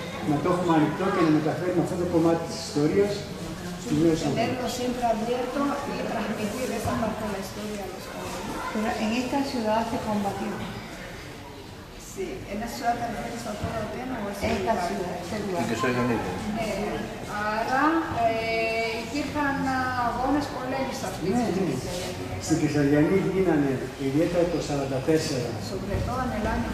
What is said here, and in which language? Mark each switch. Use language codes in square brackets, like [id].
[el] Να το έχουμε ανοιχτό και να μεταφέρουμε αυτό το κομμάτι της ιστορίας στους νέους ανθρώπους. [es] Tenerlo siempre abierto y transmitir esa parte de la historia a los jóvenes. Pero en esta ciudad se combatió. Sí, en esta ciudad también es otro tema. Esta ciudad, este lugar. ¿En qué ciudad? [el] Υπήρχαν αγώνες πολέμης αυτής στην Κεσσαριανή. Στην Κεσσαριανή γίνανε ιδιαίτερα το 1944.